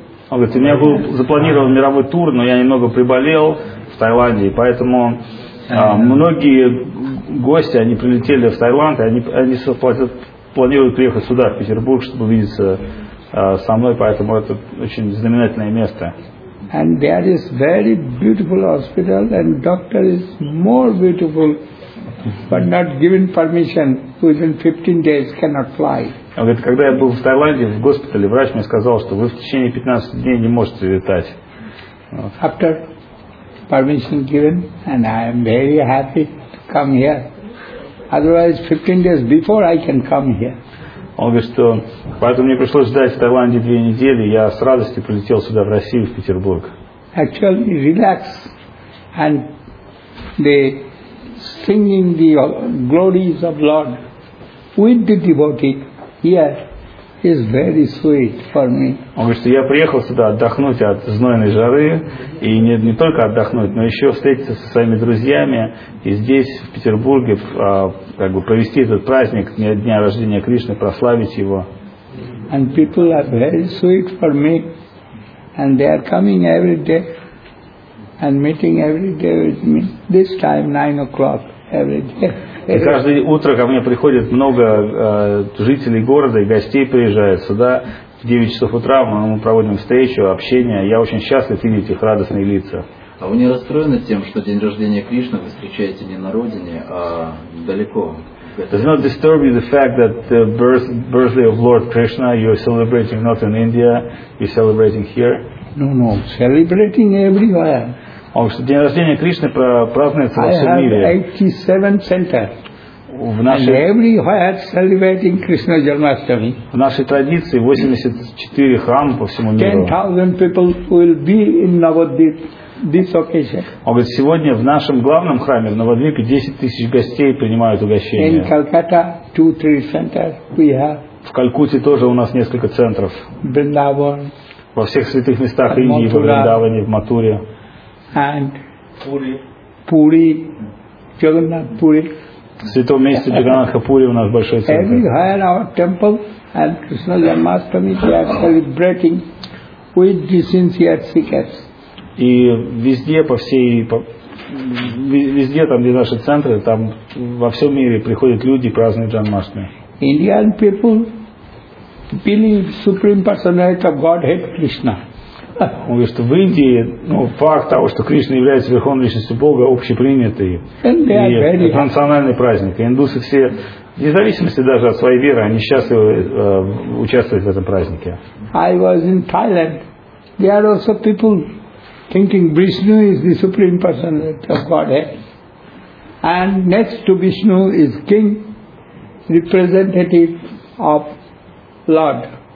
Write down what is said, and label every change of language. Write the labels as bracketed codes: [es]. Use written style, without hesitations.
[ru] Он говорит, у меня был запланирован мировой тур, но я немного приболел в Таиланде, поэтому многие гости, они прилетели в Таиланд, и они планируют приехать сюда, в Петербург, чтобы увидеться со мной, поэтому это очень знаменательное место. [en] And there is very beautiful hospital, and doctor is more beautiful. But not given permission, within 15 days cannot fly. [ru] Он говорит, когда я был в Таиланде в госпитале, врач мне сказал, что вы в течение 15 дней не можете летать. [en] After permission given, and I am very happy to come here. Otherwise, 15 days before I can come here. [ru] Он говорит, что поэтому мне пришлось ждать в Таиланде 2 недели. Я с радостью прилетел сюда в Россию, в Петербург. [en] Actually, relax and the singing the glories of Lord with the devotee yet is very sweet for me. [ru] Он говорит, что я приехал сюда отдохнуть от знойной жары, и не только отдохнуть, но еще встретиться со своими друзьями и здесь, в Петербурге, как бы провести этот праздник дня рождения Кришны, прославить его. [en] And people are very sweet for me. And they are coming every day and meeting every day with me. This time 9 o'clock every day. [ru] И каждое утро ко мне приходит много жителей города и гостей приезжают сюда. В 9 часов утра мы проводим встречу, общение. Я очень счастлив видеть их радостные лица. А вы не расстроены тем, что день рождения Кришны вы встречаете не на родине, а далеко? [en] Does not disturb you the fact that the birthday of Lord Krishna you are celebrating not in India, you're celebrating here? No, celebrating everywhere. [ru] День рождения Кришны празднуется во всем мире. [en] I have 87 centers. And everywhere celebrating Krishna Janmashtami. [ru] В нашей традиции 84 храма по всему миру. [en] 10,000 people will be in Navadvip this occasion. [ru] Он говорит, сегодня в нашем главном храме в Навадвипе 10,000 гостей принимают угощение. [en] In Calcutta 2-3 centers we have. [ru] В Калькутте тоже у нас несколько центров. [en] Vrindavan. [ru] Во всех святых местах Индии, в Вриндаване, в Матуре. [en] And Puri, Jagannath Puri. [ru] Святое место Джаганнатха Пури у нас большой центр. [en] Everywhere our temple and Krishna Janmashtami they are celebrating with the sincere seekers. [ru] И везде везде там где наши центры, там во всем мире приходят люди праздновать Джанмаштами. [en] Indian people believe supreme personality of Godhead Krishna. [ru] Он говорит, что в Индии факт того, что Кришна является Верховной Личностью Бога, общепринятый и национальный праздник. И индусы все, вне зависимости даже от своей веры, они счастливы участвовать в этом празднике. [en] I was in Thailand. There are also people thinking Vishnu is the supreme personality of Godhead. And next to Vishnu is king, representative of Lord.